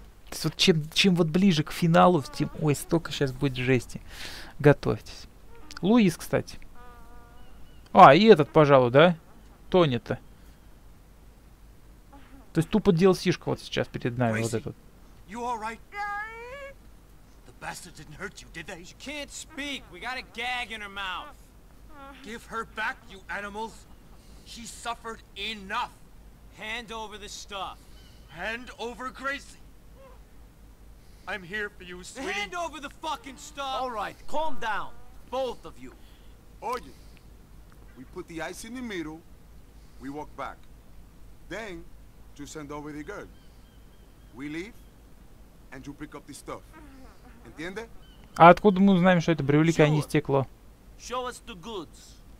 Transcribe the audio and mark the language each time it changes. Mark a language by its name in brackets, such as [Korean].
[Russian] То есть вот чем вот ближе к финалу, тем... Ой, столько сейчас будет жести. Готовьтесь. Луис, кстати. А, и этот, пожалуй, да? Тони-то. То есть тупо DLC-шка вот сейчас перед нами, вот этот. [English] Bastard didn't hurt you, did they? She can't speak. We got a gag in her mouth. Give her back, you animals. She suffered enough. Hand over the stuff. Hand over Gracie. I'm here for you, sweetie. Hand over the fucking stuff. All right, calm down, both of you. Oye, we put the ice in the middle. We walk back. Then, you send over the girl. We leave, and you pick up the stuff. [Russian] А откуда мы узнаем, что это брюлики, а не стекло? [English] Show us the goods.